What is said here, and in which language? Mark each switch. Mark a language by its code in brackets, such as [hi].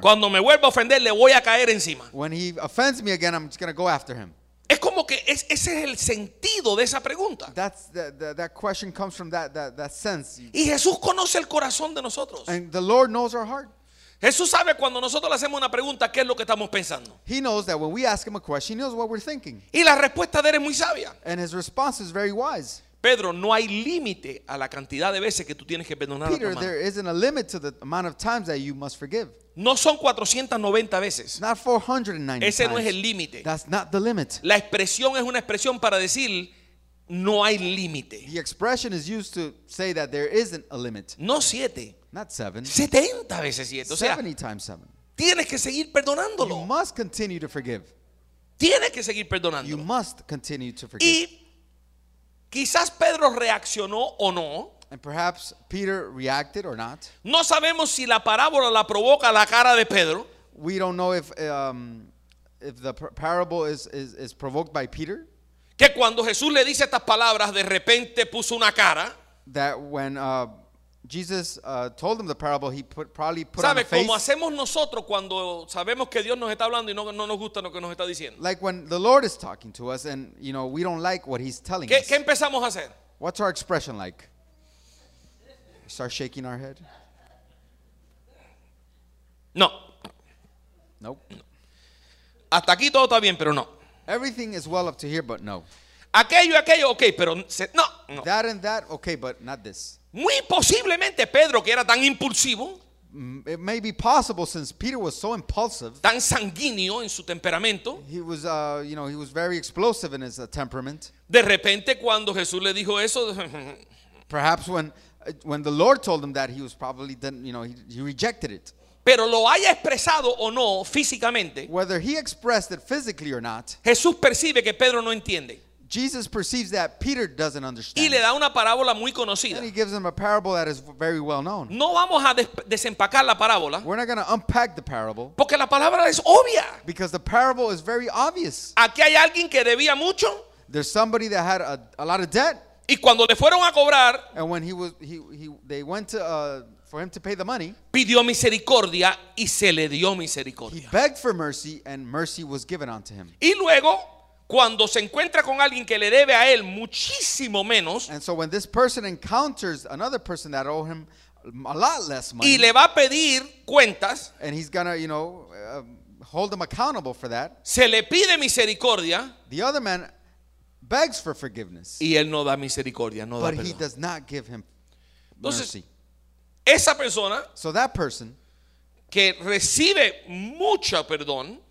[es] Cuando me vuelva a ofender, le voy a caer encima. [en] When he offends me again, I'm just going to go after him. [es] Es como que ese es el sentido de esa pregunta. [en] That question comes from that sense. [es] Y Jesús conoce el corazón de nosotros. [en] And the Lord knows our heart. [es] Jesús sabe cuando nosotros le hacemos una pregunta qué es lo que estamos pensando. [en] He knows that when we ask him a question, he knows what we're thinking. [es] Y la respuesta de él es muy sabia. [en] And his response is very wise. [es] Pedro, no hay límite a la cantidad de veces que tú tienes que perdonar a tu hermano. [en] There isn't a limit to the amount of times that you must forgive. [es] No son 490 veces. [en] Not 490 times. [es] Ese no es el límite. [en] That's not the limit. [es] La expresión es una expresión para decir no hay límite. [en] The expression is used to say that there isn't a limit. [es] No 7. [en] Not 7. [es] 70 veces 7. [en] 70 times 7. [es] Tienes que seguir perdonándolo. [en] You must continue to forgive. [es] Tienes que seguir perdonándolo. [en] You must continue to forgive. [es] Y quizás Pedro reaccionó o no. [en] And perhaps Peter reacted or not. [es] No sabemos si la parábola la provoca la cara de Pedro. [en] We don't know if the parable is provoked by Peter. [es] Que cuando Jesús le dice estas palabras, de repente puso una cara. [en] That when Jesus told him the parable, he probably put [es] ¿sabe? [en] On a face. [es] Sabe, como hacemos nosotros cuando sabemos que Dios nos está hablando y no nos gusta lo que nos está diciendo. [en] Like when the Lord is talking to us and, you know, we don't like what he's telling [es] ¿Qué, [en] us. [es] ¿Qué empezamos a hacer? [en] What's our expression like? We start shaking our head? [es] No. [en] Nope. No. [es] Hasta aquí todo está bien, pero no. [en] Everything is well up to here, but no. [es] Aquello, okay, pero no. [en] That and that, okay, but not this. [es] Muy posiblemente Pedro, que era tan impulsivo. [en] It may be possible, since Peter was so impulsive. [es] Tan sanguíneo en su temperamento. [en] He was, you know, he was very explosive in his temperament. [es] De repente, cuando Jesús le dijo eso. [en] Perhaps when the Lord told him that, he was probably, then, you know, he rejected it. [es] Pero lo haya expresado o no físicamente. [en] Whether he expressed it physically or not. [es] Jesús percibe que Pedro no entiende. [en] Jesus perceives that Peter doesn't understand. [es] Y le da una parábola muy conocida. [en] And he gives him a parable that is very well known. [es] No vamos a desempacar la parábola. [en] We're not going to unpack the parable. [es] Porque la palabra es obvia. [en] Because the parable is very obvious. [es] Aquí hay alguien que debía mucho. [en] There's somebody that had a lot of debt. [es] Y cuando le fueron a cobrar. [en] And when they went to for him to pay the money. [es] Pidió misericordia y se le dio misericordia. [en] He begged for mercy and mercy was given unto him. [es] Y luego, cuando se encuentra con alguien que le debe a él muchísimo menos. [en] And so when this person encounters another person that owe him a lot less money. [es] Y le va a pedir cuentas. [en] And he's gonna, you know, hold him accountable for that. [es] Se le pide misericordia. [en] The other man begs for forgiveness. [es] Y él no da misericordia, no [en] but [es] da perdón. [en] But he does not give him [es] entonces, [en] mercy. [es] Esa persona. [en] So that person. [es] Que recibe mucho perdón.